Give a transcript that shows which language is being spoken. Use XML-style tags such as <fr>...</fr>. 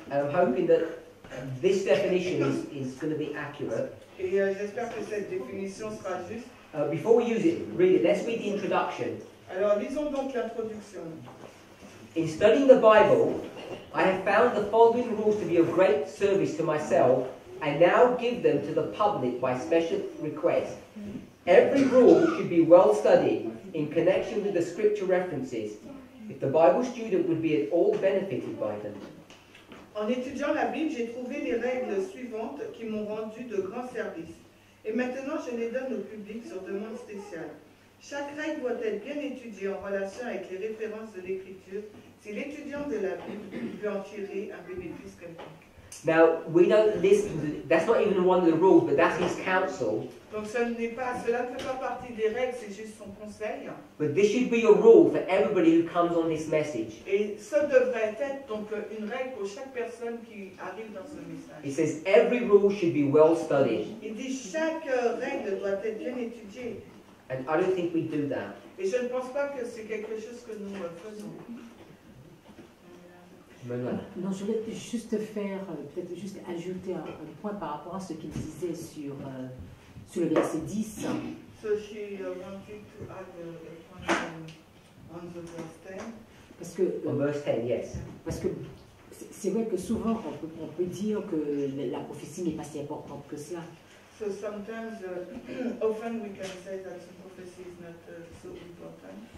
<en>And I'm hoping that this definition is going to be accurate.</en> <fr>Et j'espère que cette définition sera juste.</fr> <en>Before we use it, read it. Let's read the introduction.</en> <fr>Alors, lisons donc l'introduction.</fr> <en>In studying the Bible, I have found the following rules to be of great service to myself. I now give them to the public by special request. Every rule should be well studied in connection with the scripture references, if the Bible student would be at all benefited by them.</en> <fr>En étudiant la Bible, j'ai trouvé les règles suivantes qui m'ont rendu de grands services. Et maintenant, je les donne au public sur demande spéciale. Chaque règle doit être bien étudiée en relation avec les références de l'Écriture si l'étudiant de la Bible peut en tirer un bénéfice quelconque.</fr> <en>Now, we don't listen to that's not even one of the rules, but that's his counsel.</en> <fr>Donc, ce n'est pas, cela ne fait pas partie des règles, c'est juste son conseil.</fr> <en>But this should be a rule for everybody who comes on this message.</en> <fr>Et ça devrait être donc une règle pour chaque personne qui arrive dans ce message.</fr> <en>He says, every rule should be well studied.</en> <fr>Il dit, chaque règle doit être bien étudiée.</fr> <en>And I don't think we do that.</en> <fr>Et je ne pense pas que c'est quelque chose que nous faisons. Non, je voulais juste faire, peut-être juste ajouter un point par rapport à ce qu'il disait sur, sur le verset 10.</fr> <en>So she wanted to add a point on the verse 10.</en> <fr>Parce que,</fr> <en>on verse 10, yes.</en> <fr>Parce que c'est vrai que souvent on peut dire que la prophétie n'est pas si importante que cela.</fr> <en>So sometimes, often we can say that the prophecy is not so important.</en>